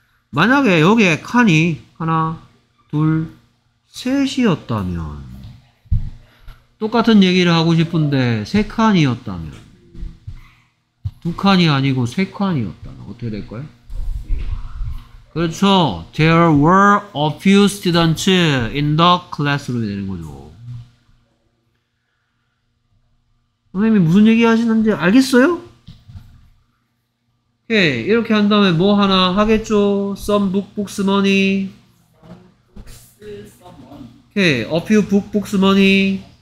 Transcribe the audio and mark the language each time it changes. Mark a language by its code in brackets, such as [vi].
[ko] 만약에 여기에 칸이 하나, 둘, 셋이었다면 똑같은 얘기를 하고 싶은데 세 칸이었다면 두 칸이 아니고 세 칸이었다면 어떻게 될까요? 그렇죠. [en] There were a few students in the classroom이 되는 거죠. [ko] 선생님이 무슨 얘기 하시는지 알겠어요? 오케이. 이렇게 한 다음에 뭐 하나 하겠죠? [en] Some book, books, money. Okay. A few book, books, money.